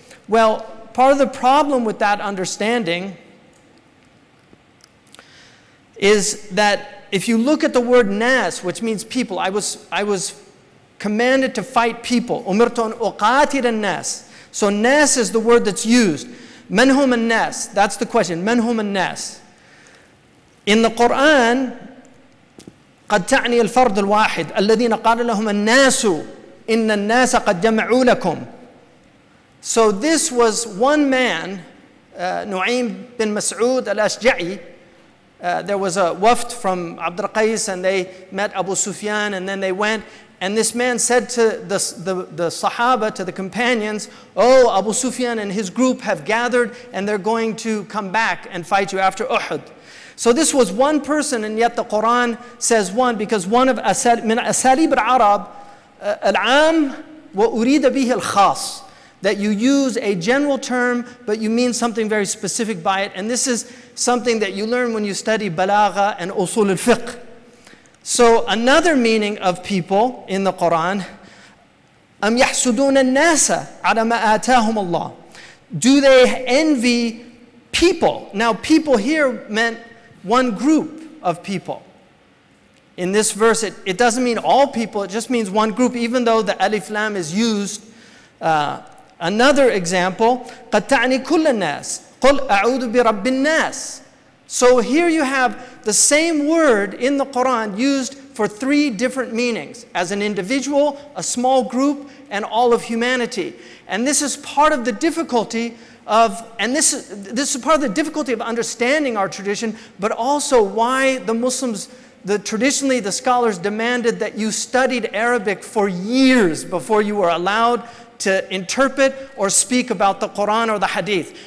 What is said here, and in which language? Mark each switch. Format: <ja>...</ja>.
<en>Well, part of the problem with that understanding is that if you look at the word nas, which means people, I was commanded to fight people.</en> <ar>أُمِرْتُ أَنْ أُقَاتِلَ النَّاسِ.</ar> <en>So nas is the word that's used.</en> <ar>مَنْ هُمَ النَّاسِ?</ar> <en>That's the question.</en> <ar>مَنْ هُمَ النَّاسِ?</ar> <en>In the Quran,</en> <ar>قَدْ تَعْنِي الْفَرْضُ الْوَاحِدُ الَّذِينَ قَالَ لَهُمَ النَّاسُ إِنَّ النَّاسَ قَدْ جَمَعُوا لَكُمْ.</ar> <en>So this was one man, Nu'aym bin Mas'ud al-Ashja'i. There was a wafd from Abd al-Qais and they met Abu Sufyan, and then they went. And this man said to the Sahaba, to the companions, oh, Abu Sufyan and his group have gathered and they're going to come back and fight you after Uhud. So this was one person, and yet the Quran says one, because one of</en> <ar>min asalib al-Arab, al-am wa urida bihi al-khas.</ar> <en>That you use a general term, but you mean something very specific by it. And this is something that you learn when you study balagha and usul al-fiqh. So another meaning of people in the Quran,</en> <ar>أَمْ يَحْسُدُونَ النَّاسَ عَلَى مَا آتَاهُمَ اللَّهُ.</ar> <en>Do they envy people? Now people here meant one group of people. In this verse, it doesn't mean all people, it just means one group, even though the alif lam is used. Another example,</en> <ar>قَدْ تَعْنِي كُلَّ النَّاسِ قُلْ أَعُوذُ بِرَبِّ النَّاسِ.</ar> <en>So here you have the same word in the Quran used for three different meanings, as an individual, a small group, and all of humanity. And this is part of the difficulty of, and this is part of the difficulty of understanding our tradition, but also why the Muslims, traditionally the scholars demanded that you studied Arabic for years before you were allowed to interpret or speak about the Quran or the Hadith.</en>